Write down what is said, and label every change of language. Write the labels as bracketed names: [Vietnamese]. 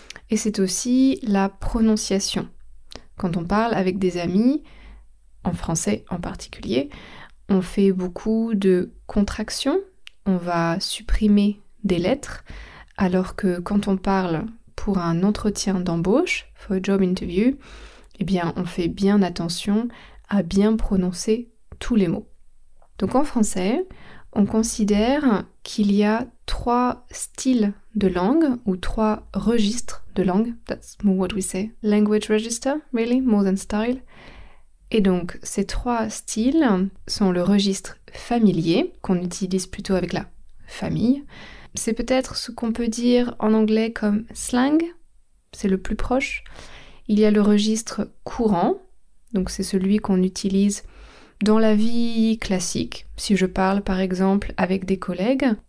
[French] Et c'est aussi la prononciation. Quand on parle avec des amis, en français en particulier, on fait beaucoup de contractions, on va supprimer des lettres, alors que quand on parle pour un entretien d'embauche, [English] for a job interview, [French] eh bien on fait bien attention à bien prononcer tous les mots. Donc en français, on considère qu'il y a trois styles de langue ou trois registres de langue. [English] That's more what we say. Language register, really, more than style. [French] Et donc, ces trois styles sont le registre familier, qu'on utilise plutôt avec la famille. C'est peut-être ce qu'on peut dire en anglais comme slang, c'est le plus proche. Il y a le registre courant, donc c'est celui qu'on utilise dans la vie classique, si je parle par exemple avec des collègues.